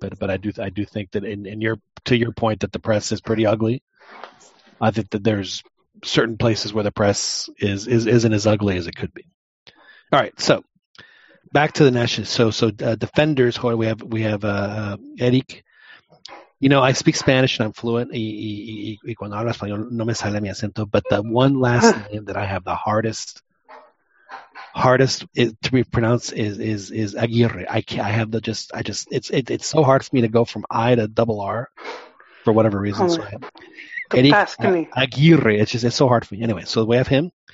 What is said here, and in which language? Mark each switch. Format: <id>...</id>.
<en>But I do think that to your point that the press is pretty ugly. I think that there's certain places where the press isn't as ugly as it could be. All right, so back to the national. So defenders. Hoy, we have Eric. You know, I speak Spanish and I'm fluent.</en> <es>Y cuando hablo español, no me sale mi acento.</es> <en>But the one last name that I have the hardest to be pronounced is Aguirre. It's so hard for me to go from I to double R for whatever reason. Aguirre. It's so hard for me. Anyway, so we have him.</en>